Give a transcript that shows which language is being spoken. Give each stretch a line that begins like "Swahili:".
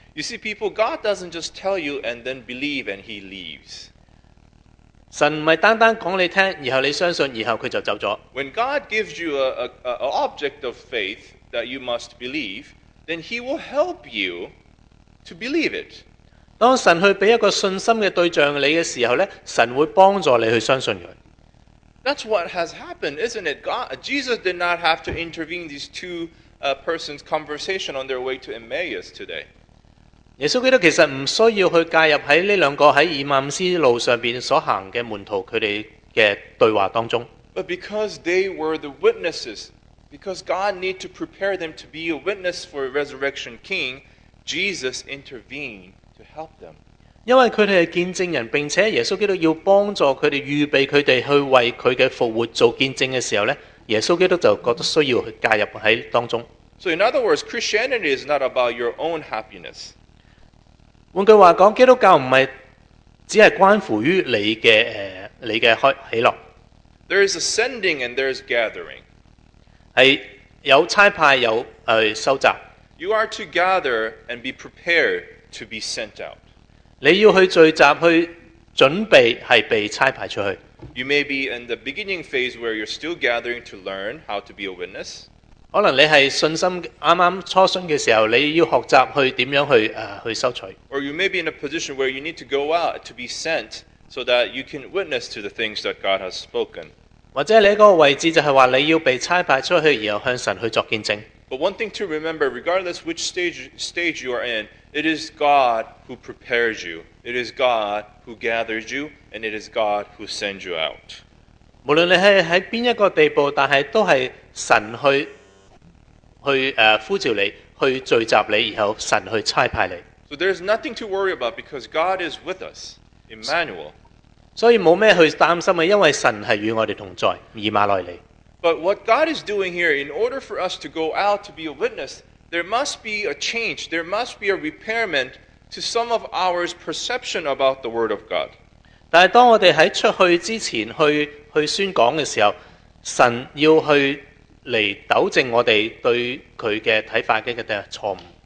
English: You see, people, God doesn't just tell you and then believe and he leaves.
Chinese: 神不是单单讲你听，然后你相信，然后他就走了。
English: When God gives you an object of faith that you must believe, then he will help you to believe it.
Chinese: 当神去俾一个信心嘅对象你嘅时候咧，神会帮助你去相信佢。
English: That's what has happened, isn't it? God, Jesus did not have to intervene these two persons' conversation on their way to Emmaus today.
Chinese: 耶稣基督其实唔需要去介入喺呢两个喺以马忤斯路上边所行嘅门徒佢哋嘅对话当中。
English: But because they were the witnesses, because God needed to prepare them to be a witness for a resurrection King, Jesus intervened. To help them.
Chinese: 因为他们是见证人，并且耶稣基督要帮助他们，预备他们去为他的复活做见证的时候，耶稣基督就觉得需要去介入在当中。
English: So in other words, Christianity is not about your own happiness.
Chinese: 换句话说，基督教不是只是关乎于你的喜乐。
English: There is ascending and there is gathering.
Chinese: 是有差派，有收集。
English: You are to gather and be prepared. To be sent out.
Chinese: 你要去聚集，去准备是被差派出去。
English: You may be in the beginning phase where you're still gathering to learn how to be a witness.
Chinese: 可能你是信心刚刚初信的时候，你要学习去怎样 去收取。
English: Or you may be in a position where you need to go out to be sent so that you can witness to the things that God has spoken.
Chinese: 或者你在一个位置就是说你要被差派出去，然后向神去作见证。
English: But one thing to remember, regardless which stage you are in, it is God who prepares you, it is God who gathers you, and it is God who sends you out.
Chinese: 无论你是在哪一个地步，但是都是神去呼召你，去聚集你，然后神去差派你。
English: So there's nothing to worry about because God is with us, Emmanuel.
Chinese: 所以冇咩去担心嘅，因为神系与我哋同在，以马内利。
English: But what God is doing here, in order for us to go out to be a witness, there must be a change, there must be a repairment to some of our perception about the Word of God.
Chinese: 但系当我哋喺出去之前去宣讲嘅时候，神要去嚟纠正我哋对佢嘅睇法嘅嘅错误。